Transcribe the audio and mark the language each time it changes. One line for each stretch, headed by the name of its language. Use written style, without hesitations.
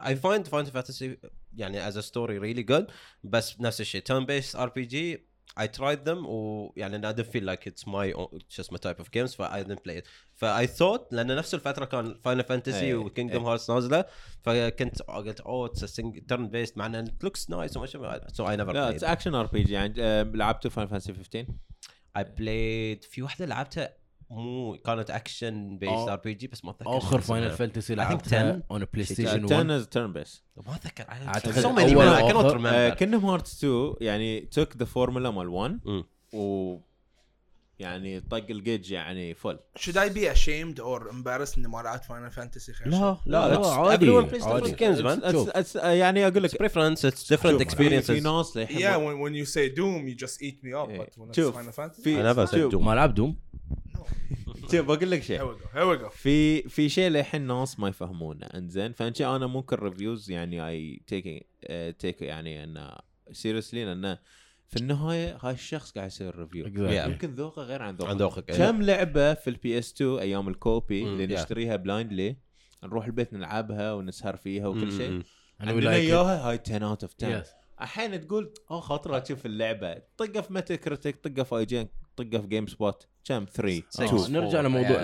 English: I find Final Fantasy
Arabic: يعني
English: as a story really good.
Arabic: بس نفس الشيء turn-based RPG.
English: I tried them
Arabic: ويعني
English: I didn't feel like it's my own, just my type of games. So I didn't play it.
Arabic: ف
English: I thought
Arabic: لأن نفس الفترة كان Final Fantasy و Kingdom Hearts نازلة. فكنت قلت
English: oh it's a single turn-based
Arabic: معناه
English: it looks nice
Arabic: وما شابه.
English: So I never played. No, it's action RPG. يعني لعبت Final Fantasy 15. I played
Arabic: في واحدة لعبتها مو كانت
English: action based RPG
Arabic: بس ما أتذكر. آخر Final Fantasy لعبتها
English: on a PlayStation 10 is turn-based.
Arabic: ما أتذكر.
English: So many ones. I cannot remember.
Arabic: Kingdom Hearts 2 يعني
English: took the formula
Arabic: مال 1 و يعني طق الجيج يعني فل.
English: Should I be ashamed or embarrassed
Arabic: إني ما لعبت Final Fantasy خير؟ لا عادي.
English: Everyone plays different games man.
Arabic: يعني أقول لك
English: preference it's different experiences. Yeah when you say Doom you just eat me up but when it's Final Fantasy. I never said Doom.
Arabic: ما لعب Doom. طيب بقول لك شيء
English: here we go.
Arabic: في شيء للحين ناس ما يفهمونه انزين فانت انا ممكن ريفيوز يعني اي تيك يعني ان سيريسلي لان في النهايه هاي الشخص قاعد يسوي ريفيو يمكن ذوقه غير عن ذوقك كم لعبه في البي اس 2 ايام الكوبي اللي نشتريها بلايندلي نروح البيت نلعبها ونسهر فيها وكل شيء عندنا اياها هاي 10 اوت اوف 10 الحين تقول اه خاطره تشوف اللعبه طقه في ميتا كريتيك طقه في اي جين طقه في جيم سبوت كم 3